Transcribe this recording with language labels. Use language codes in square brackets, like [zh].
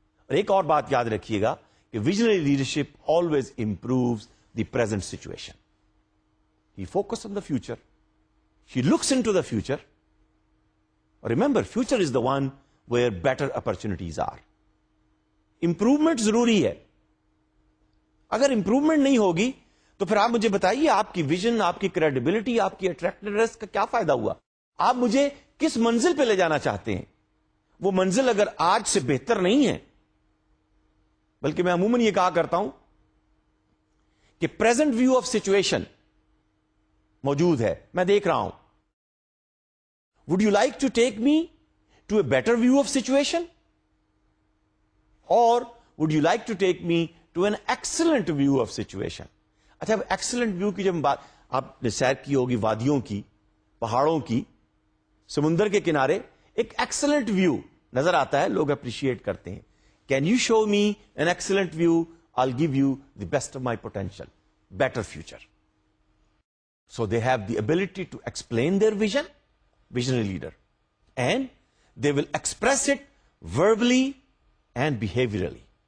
[ur] Aur ek aur baat yaad rakhiyega, [en] visionary leadership always improves the present situation. He focuses on the future. He looks into the future. Remember, future is the one where better opportunities are. [ur] Improvement ضروری ہے. اگر improvement نہیں ہوگی تو پھر آپ مجھے بتائیے, آپ کی vision, آپ کی credibility, آپ کی attractiveness کا کیا فائدہ ہوا؟ آپ مجھے کس منزل پہ لے جانا چاہتے ہیں؟ وہ منزل اگر آج سے بہتر نہیں ہے, بلکہ میں عموماً یہ کہا کرتا ہوں کہ [en] present view of situation [ur] موجود ہے, میں دیکھ رہا ہوں. [en] Would you like to take me to a better view of situation اور would you like to take me to an excellent view of situation? [ur] اچھا, اب ایکسلنٹ ویو کی جب بات, آپ نے سیر کی ہوگی وادیوں کی, پہاڑوں کی, سمندر کے کنارے, ایک ایکسلنٹ ویو نظر آتا ہے, لوگ اپریشیٹ کرتے ہیں. [en] Can you show me an excellent view, I give you the best of my potential, better future. So they have the ability to explain their vision, visionary leader, and they will express it verbally and behaviourally.